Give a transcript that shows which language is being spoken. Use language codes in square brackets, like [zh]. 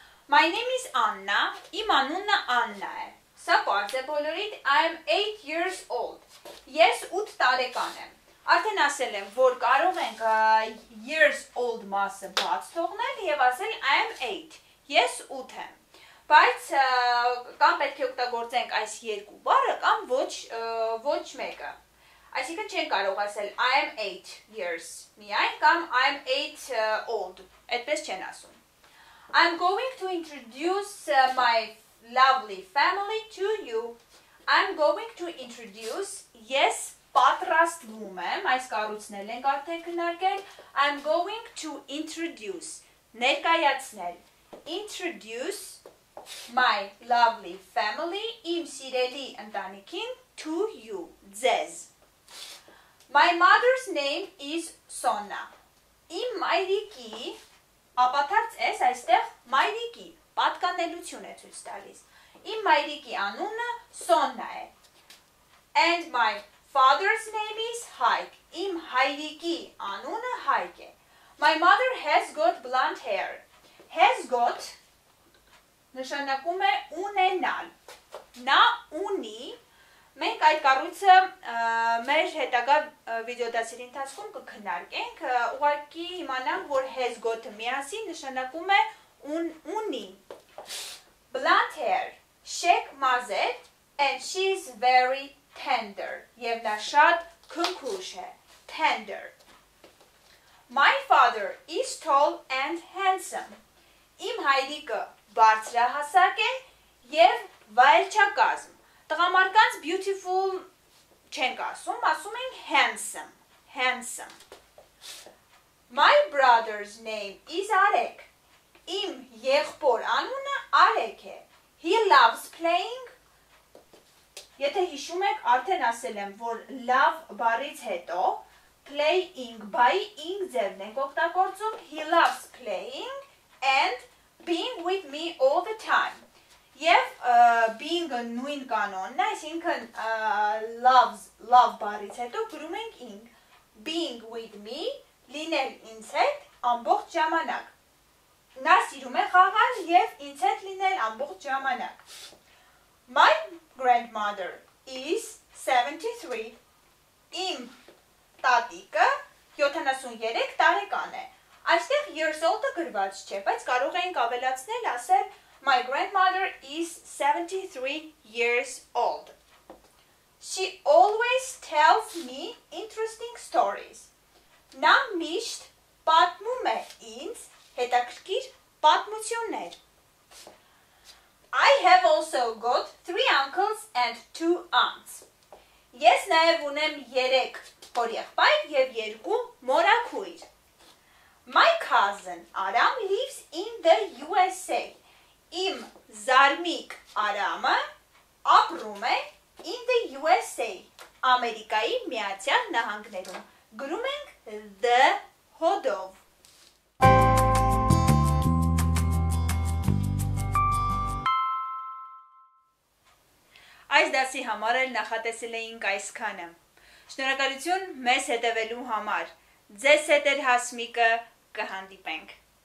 [en] My name is Anna, [hy] իմ անունը Anna է, սա պարձ է բոլորիդ, [en] I am 8 years old, [hy] ես 8 տարեկան եմ, արդեն ասել եմ, որ կարով ենք years old մասը բաց թողնել և ասել [en] I am 8, [hy] ես 8 եմ, բայց կամ պետք է օգտագործենք այս երկու բառը կամ ոչ մեկը, այսինքն չեն կարող ասել [en] I am 8 years [hy] միայն կամ [en] I am 8 old, [hy] այդպես չեն ասում. [en] I am going to introduce my lovely family to you. I am going to introduce, [hy] ես պատրաստվում եմ, այս կարուցնել ենք արդեն քննարկել, [en] I am going to introduce, [hy] ներկայացնել, [en] introduce my lovely family, [hy] իմ սիրելի ընտանիքին [en] to you, [hy] ձեզ. [en] My mother's name is Sonna. [hy] Իմ մայրիկի Apatarts es aistegh mayriki patkanelutyun e ցույց տալիս. Իմ մայրիկի անունը Սոննա է. [en] And my father's name is Hayk. [hy] Իմ հայրիկի անունը Hayk է. [en] My mother has got blonde hair. [hy] Has got նշանակում է ունենալ. Նա ունի. Մենք այդ կառույցը մեր հետագա վիդեոդասերի ընթացքում կքննարկենք, ուղղակի իմանանք, որ has got-ը միասին նշանակում է ունի. [en] Blonde hair. [hy] Շեք մազեր. [en] And she is very tender. [hy] Եվ նա շատ քնքուշ է. Tender. [en] My father is tall and handsome. [hy] Իմ հայրիկը բարձրահասակ է եւ վայելչակազմ։ Տղամարդկանց beautiful չենք ասում, ասում ենք handsome. [en] Handsome. My brother's name is Arek. [hy] Իմ եղբոր անունը Արեք է. [en] He loves playing. [hy] Եթե հիշում եք, արդեն ասել եմ, որ love բառից հետո playing by-ing ձևն ենք օգտագործում. [en] He loves playing and being with me all the time. [hy] Եվ being-ը նույն կանոնն է, այսինքն loves love բառից հետո գրում ենք ing. [en] Being with me, [hy] լինել ինձ հետ ամբողջ ժամանակ. Նա սիրում է խաղալ եւ ինձ հետ լինել ամբողջ ժամանակ. [en] My grandmother is 73. [hy] Իմ տատիկը 73 տարեկան է. Այստեղ years old-ը գրված չէ, բայց կարող ենք ավելացնել, ասել [en] My grandmother is 73 years old. She always tells me interesting stories. [hy] Նա միշտ պատմում է ինձ հետաքրքիր պատմություններ. [en] I have also got 3 uncles and 2 aunts. [hy] Ես նաև ունեմ 3 հոր եղբայր եւ 2 մորաքույր. [en] My cousin Aram lives in the USA. [hy] Իմ զարմիկ Արամը ապրում է [en] in the USA, [hy] Ամերիկայի Միացյալ Նահանգներում։ Գրում ենք the հոդով։ Այս դասի համար էլ նախատեսել էինք այսքանը։ Շնորհակալություն մեզ հետևելու համար։ Ձեզ հետ էր Հասմիկը, կհանդիպենք։